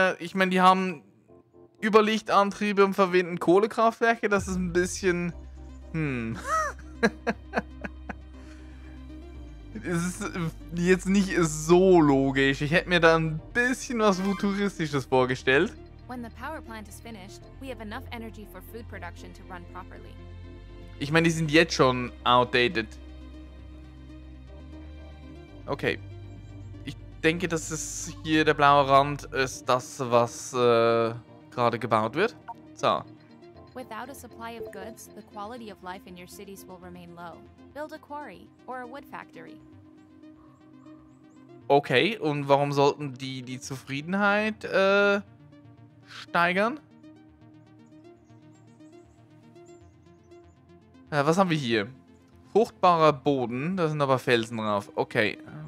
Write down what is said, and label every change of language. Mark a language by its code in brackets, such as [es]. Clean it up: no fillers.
[de] ich meine, die haben Überlichtantriebe und verwenden Kohlekraftwerke. Das ist ein bisschen... Es ist jetzt nicht so logisch. Ich hätte mir da ein bisschen was Futuristisches vorgestellt. [en] When the power plant is finished, we have enough energy for food production to run properly. [de] Ich meine, die sind jetzt schon outdated. Okay. Ich denke, das ist hier der blaue Rand, ist das, was gerade gebaut wird. So. [en] Without a supply of goods, the quality of life in your cities will remain low. Build a quarry or a wood factory. [de] Okay, und warum sollten die die Zufriedenheit steigern? Was haben wir hier? Fruchtbarer Boden. Da sind aber Felsen drauf. Okay.